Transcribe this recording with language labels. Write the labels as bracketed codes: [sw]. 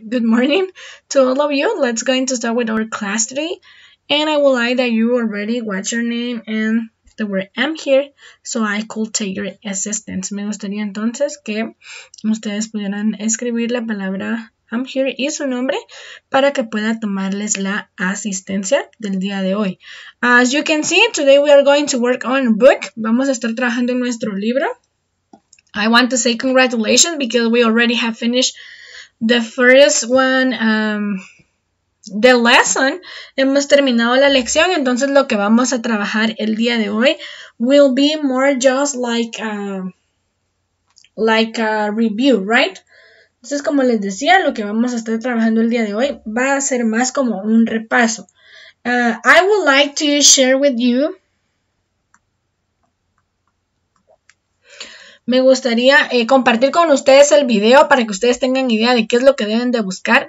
[en] Good morning to all of you. Let's go into start with our class today. And I will like that you already watched your name and the word M here, so I could take your assistance. [es] Me gustaría entonces que ustedes pudieran escribir la palabra M here y su nombre para que pueda tomarles la asistencia del día de hoy. [en] As you can see, today we are going to work on a book. [es] Vamos a estar trabajando en nuestro libro. [en] I want to say congratulations because we already have finished the first one, the lesson. [es] Hemos terminado la lección, entonces lo que vamos a trabajar el día de hoy [en] will be more just like a review, right? [es] Entonces, como les decía, lo que vamos a estar trabajando el día de hoy va a ser más como un repaso. [en] I would like to share with you. [es] Me gustaría compartir con ustedes el video para que ustedes tengan idea de qué es lo que deben de buscar.